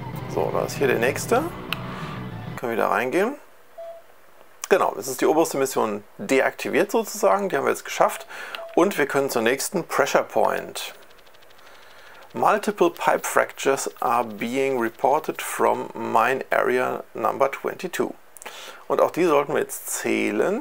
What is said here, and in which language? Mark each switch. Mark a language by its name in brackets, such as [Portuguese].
[German] So, da ist hier der nächste. Können wir wieder reingehen. Genau, es ist die oberste Mission deaktiviert sozusagen. Die haben wir jetzt geschafft. Und wir können zur nächsten Pressure Point. [English] Multiple pipe fractures are being reported from mine area number 22. [German] Und auch die sollten wir jetzt zählen.